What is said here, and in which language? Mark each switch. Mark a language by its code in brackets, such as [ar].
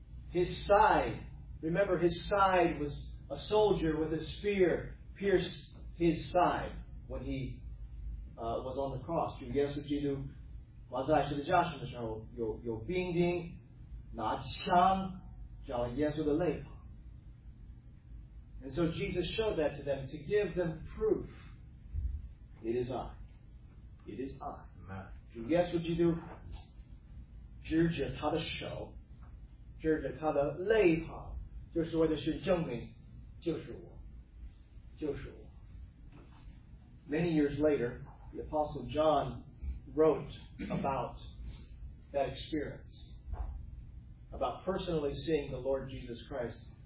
[en] His side, remember his side was a soldier with a spear pierced his side when he was on the cross. [zh] 主耶稣基督挂在十字架上的时候，有兵丁拿枪照耶稣的肋旁。 [en] And so Jesus showed that to them to give them proof. It is I. It is I. [zh] 主耶稣基督指着他的手。指着他的肋旁，就是为的是证明，就是我，就是我。 [en] Many years later, the Apostle John wrote about that experience, about personally seeing the Lord Jesus Christ.